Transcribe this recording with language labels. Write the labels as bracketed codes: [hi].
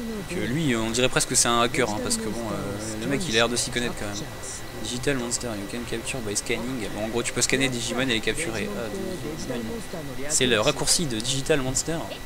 [fr] Que lui, on dirait presque que c'est un hacker, hein, parce que bon, le mec il a l'air de s'y connaître quand même. [en] Digital Monster, you can capture by scanning. [fr] Bon, en gros, tu peux scanner Digimon et les capturer. Ah, Digimon. C'est le raccourci de Digital Monster.